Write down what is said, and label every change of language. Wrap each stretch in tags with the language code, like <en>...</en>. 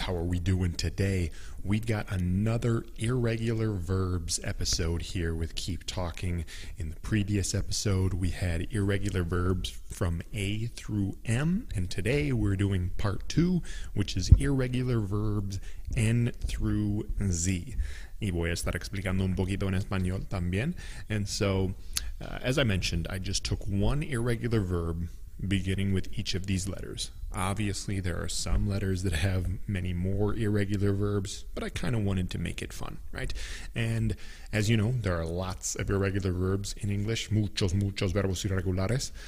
<en>How are we doing today? We got another irregular verbs episode here with Keep Talking. In the previous episode, we had irregular verbs from A through M, and today we're doing part two, which is irregular verbs N through Z.</en> <es>Y voy a estar explicando un poquito en español también.</es> <en>And so, as I mentioned, I just took one irregular verb beginning with each of these letters. Obviously, there are some letters that have many more irregular verbs, but I kind of wanted to make it fun, right? And as you know, there are lots of irregular verbs in English,</en> <es>muchos, muchos verbos irregulares.</es>